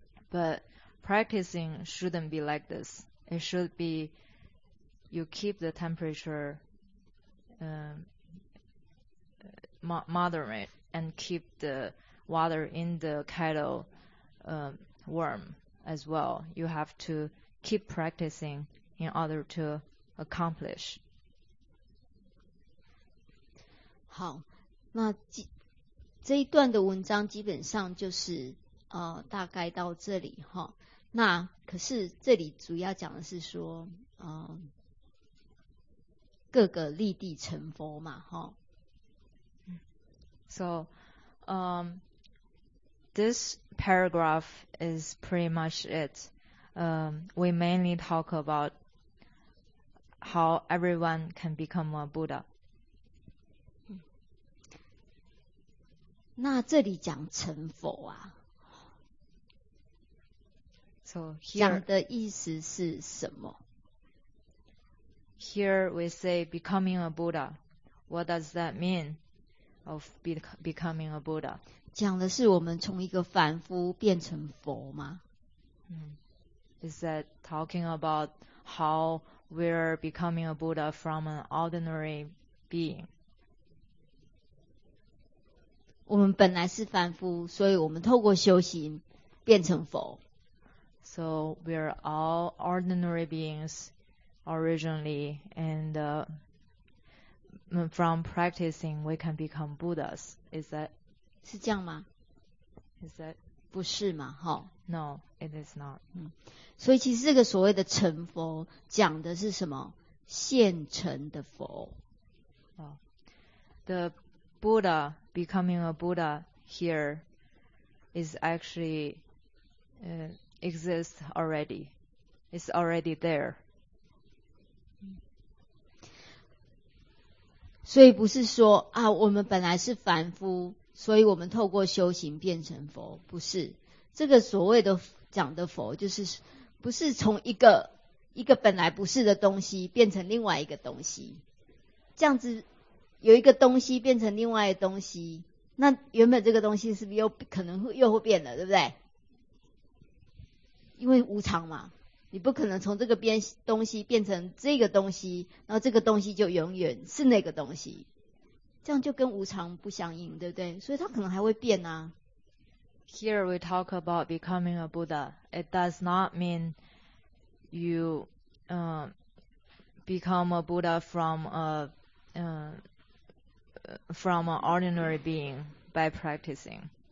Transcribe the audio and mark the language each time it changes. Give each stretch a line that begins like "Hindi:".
English: But practicing shouldn't be like this. It should be you keep the temperature moderate and keep the water in the kettle warm as well. You have to keep practicing in order to accomplish.
Chinese: 好，那这一段的文章基本上就是大概到这里哈。那可是这里主要讲的是说，各个立地成佛嘛，哈。
English: So, this paragraph is pretty much it. We mainly talk about how everyone can become a Buddha.
Chinese: 那这里讲成佛啊。
English: So here,
Chinese: 讲的意思是什么？
English: Here we say becoming a Buddha. What does that mean of becoming a Buddha?
Chinese: 讲的是我们从一个凡夫变成佛吗？
English: Is that talking about how we're becoming a Buddha from an ordinary being?
Chinese: 我们本来是凡夫，所以我们透过修行变成佛。
English: So we are all ordinary beings originally, and from practicing we can become Buddhas. Is that?
Chinese: 是这样吗？
English: Is that?
Chinese: 不是嘛，哈。
English: No, it is not.
Chinese: 所以其实这个所谓的成佛讲的是什么？现成的佛。 Oh.
English: The Buddha, becoming a Buddha here is actually exists already. It's already there.
Chinese: 所以不是说啊，我们本来是凡夫，所以我们透过修行变成佛，不是。这个所谓的讲的佛，就是不是从一个本来不是的东西变成另外一个东西，这样子有一个东西变成另外一个东西，那原本这个东西是不是又可能又会变了，对不对？因为无常嘛，你不可能从这个变东西变成这个东西，然后这个东西就永远是那个东西，这样就跟无常不相应，对不对？所以它可能还会变啊。
English: Here we talk about becoming a Buddha. It does not mean you become a Buddha from an ordinary being by practicing.